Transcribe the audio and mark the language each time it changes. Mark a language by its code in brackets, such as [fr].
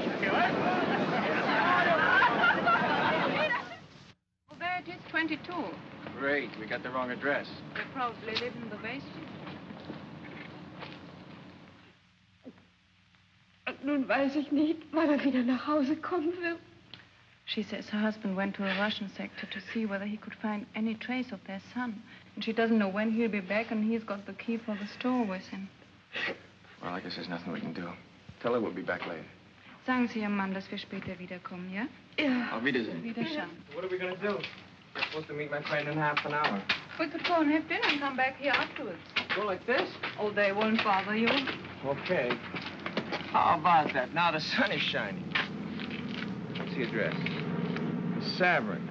[en] It is 22. Great, we got the wrong address. They probably live in the basement. [de] Nun weiß ich nicht, wann wieder nach Hause kommen will. [en] She says her husband went to a Russian sector to see whether he could find any trace of their son. And she doesn't know when he'll be back, and he's got the key for the store with him. Well, I guess there's nothing we can do. Tell her we'll be back later. [de] Sagen Sie Ihrem Mann, dass wir später wiederkommen, ja? Ja. Auf Wiedersehen. Wiedersehen. [en] What are we going to do? I'm supposed to meet my friend in half an hour. We could go and have dinner and come back here afterwards. Go like this? Oh, they won't bother you. Okay. How about that? Now the sun is shining. What's the address? The Savarin.